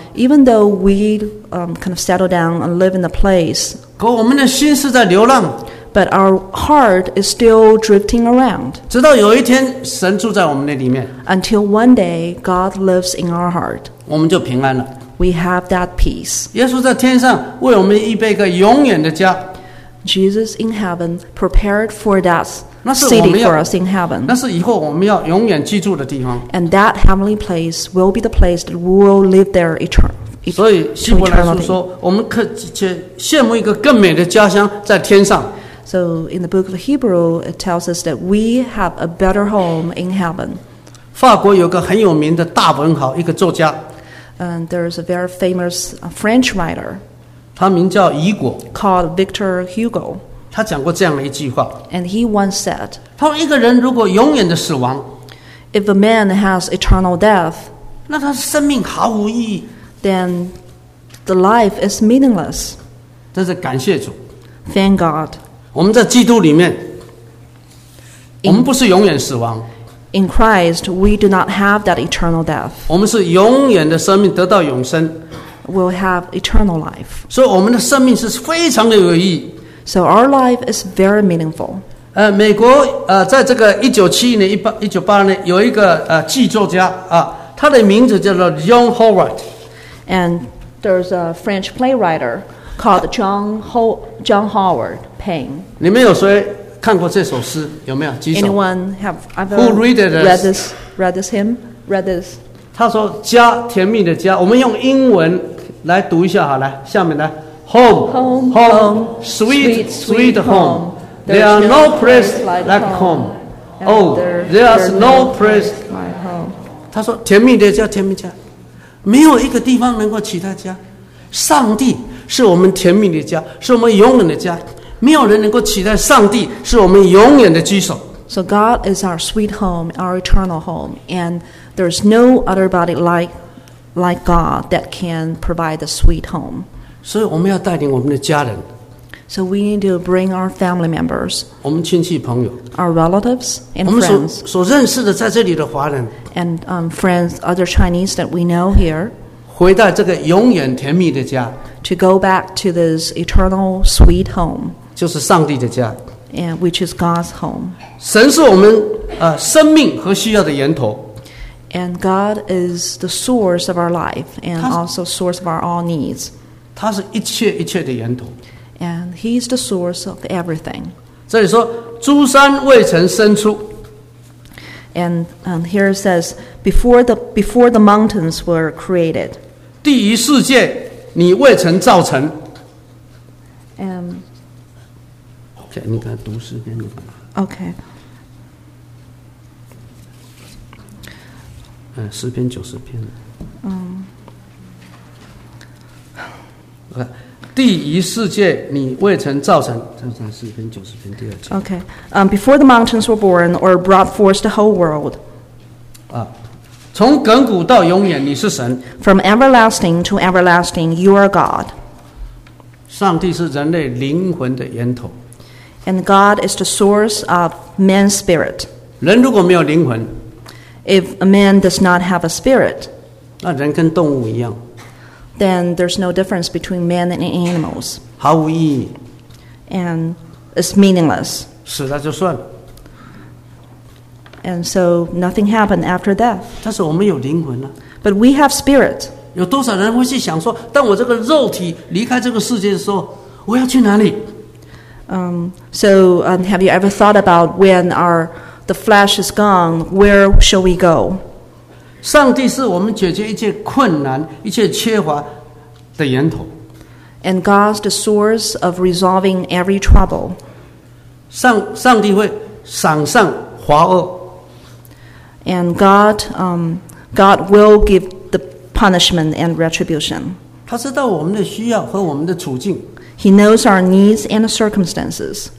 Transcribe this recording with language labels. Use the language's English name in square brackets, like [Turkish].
[English] even though we kind of settle down and live in a place, [Chinese] 可我们的心是在流浪， [English] but our heart is still drifting around. [Chinese] 直到有一天神住在我们的里面， [English] until one day God lives in our heart, [Chinese] 我们就平安了， [English] we have that peace. [Chinese] 耶稣在天上为我们预备一个永远的家。 [English] Jesus in heaven prepared for that city for us in heaven. [Chinese] 那是以后我们要永远居住的地方。 [English] And that heavenly place will be the place that we will live there eternally. [Chinese] 所以希伯来书说，我们可且羡慕一个更美的家乡在天上。 [English] So in the book of Hebrew, it tells us that we have a better home in heaven. [Chinese] 法国有个很有名的大文豪，一个作家。 [English] And there is a very famous French writer. [Chinese] 他名叫雨果。 [English] Called Victor Hugo. [Chinese] 他讲过这样的一句话。 [English] And he once said. [Chinese] 他说一个人如果永远的死亡。 [English] If a man has eternal death. [Chinese] 那他生命毫无意义。 [English] Then the life is meaningless. [Chinese] 真是感谢主。 [English] Thank God. [Chinese] 我们在基督里面。我们不是永远死亡。 [English] In Christ, we do not have that eternal death. [Chinese] 我们是永远的生命得到永生。 [English] Will have eternal life. [Chinese] 所以我们的生命是非常的有意义。 [English] So our life is very meaningful. [Chinese] 美国在这个1970年、1980年有一个剧作家他的名字叫做 John Howard. [English] And there's a French playwriter called John Howard Payne. [Chinese] 你们有谁看过这首诗？有没有举手 [English] ？Anyone have ever read this hymn? [Chinese] 他说家甜蜜的家，我们用英文来读一下好了，下面来 [English] home, sweet home. There are no place like home. Oh, there is no place like home. [Chinese] 他说甜蜜的家，甜蜜家，没有一个地方能够取代家。上帝是我们甜蜜的家，是我们永远的家。没有人能够取代上帝，是我们永远的居所。 [English] So God is our sweet home, our eternal home, and there's no other body like God that can provide a sweet home. [Chinese] 所以我们要带领我们的家人。 [English] So we need to bring our family members, [Chinese] 我们亲戚朋友， [English] our relatives and friends, [Chinese] 我们所认识的在这里的华人， [English] and friends, other Chinese that we know here, [Chinese] 回到这个永远甜蜜的家， [English] to go back to this eternal sweet home, [Chinese] 就是上帝的家， [English] and which is God's home. [Chinese] 神是我们生命和需要的源头。 [English] And God is the source of our life and also source of our all needs. [Chinese] 他是一切一切的源头。 [English] And He's the source of everything. [Chinese] 这里说诸山未曾生出。 [English] And here it says, before the mountains were created. [Chinese] 第一世界你未曾造成。 [English] Okay, [Chinese] 你看读诗篇。 [English] Okay. [Chinese] 诗篇九十篇。第一世界你未曾造成，这是诗篇九十篇第二节。 [English] Okay, before the mountains were born or brought forth the whole world. [Chinese] 从亘古到永远，你是神。 [English] From everlasting to everlasting, you are God. [Chinese] 上帝是人类灵魂的源头。 [English] And God is the source of man's spirit. [Chinese] 人如果没有灵魂。 [English] If a man does not have a spirit, [Chinese] 那人跟动物一样。 [English] Then there's no difference between man and animals. [Chinese] 毫无意义。 [English] And it's meaningless. [Chinese] 死了就算了。 [English] And so nothing happened after death. [Chinese] 但是我们有灵魂了。 [English] But we have spirit. [Chinese] 有多少人会去想说，当我这个肉体离开这个世界的时候，我要去哪里？ [English] Have you ever thought about when our The flesh is gone. Where shall we go? [Chinese] 上帝是我们解决一切困难、一切缺乏的源头。 [English] And God's the source of resolving every trouble. [Chinese] 上帝会赏善罚恶。 [English] And God will give the punishment and retribution. [Chinese] 他知道我们的需要和我们的处境。 [English] He knows our needs and circumstances.